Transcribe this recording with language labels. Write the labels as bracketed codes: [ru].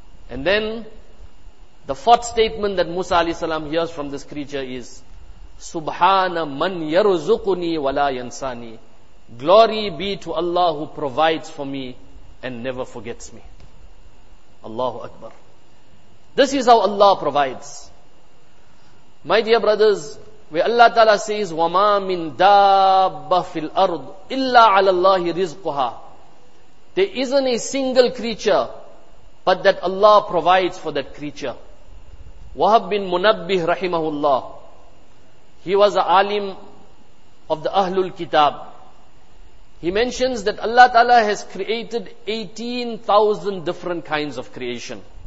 [en] And then, the fourth statement that Musa alayhi salam hears from this creature is, [ar] Subhana man yarzuquni wala yansani. [en] Glory be to Allah who provides for me and never forgets me. Allahu Akbar. This is how Allah provides. My dear brothers, where Allah Ta'ala says, [ar] وَمَا مِن دَابَّ فِي الْأَرْضِ إِلَّا عَلَى اللَّهِ رِزْقُهَا. [en] There isn't a single creature but that Allah provides for that creature. Wahab bin Munabbih rahimahullah, he was an alim of the Ahlul Kitab. He mentions that Allah Ta'ala has created 18,000 different kinds of creation.